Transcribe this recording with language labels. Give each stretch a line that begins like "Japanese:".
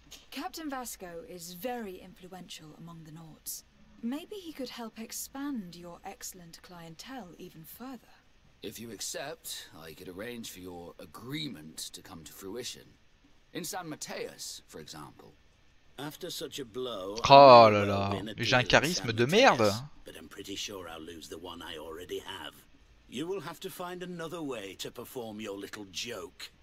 English: Captain Vasco is very influential among the Nauts. Maybe he could help expand your excellent clientele even further. If you accept, I could arrange for your agreement to come to fruition. In San Mateus, for example. After such a blow,
French: oh là là, j'ai un charisme de merde.
English: But I'm pretty sure I'll lose the one I already have. You will have to find another way to perform your little joke.